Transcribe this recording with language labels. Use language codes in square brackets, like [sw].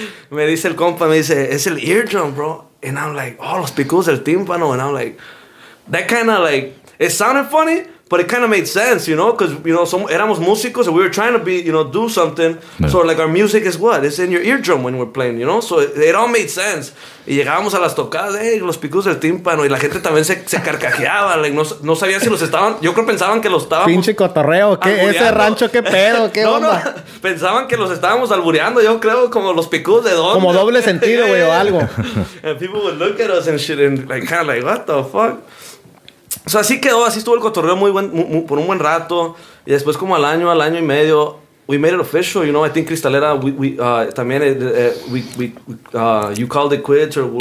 [es] Me dice el compa, me dice, es el eardrum, bro. [en] And I'm like, oh, [es] los picos del tímpano. [en] And I'm like, that kind of like... It sounded funny, but it kind of made sense, you know? Because, you know, some [es] éramos músicos [en] and we were trying to be, you know, do something. No. So, like, our music is what? It's in your eardrum when we're playing, you know? So, it all made sense. [es] Y llegábamos a las tocadas, hey, los picos del tímpano. Y la gente también se carcajeaba. Like, no sabía si los estaban... Yo creo pensaban que los estábamos... Pinche cotorreo. ¿Qué? ¿Ese rancho qué pedo? ¿Qué no, onda? No. Pensaban que los estábamos albureando, yo creo, como los picos de dónde. Como doble sentido, güey, o algo. [en] And people would look at us and shit and like, kind of like, what the fuck? [es] O sea, así quedó, así estuvo el cotorreo por un buen rato. Y después como al año y medio, [en] we made it official, you know. I think Cristalera, you called it quits or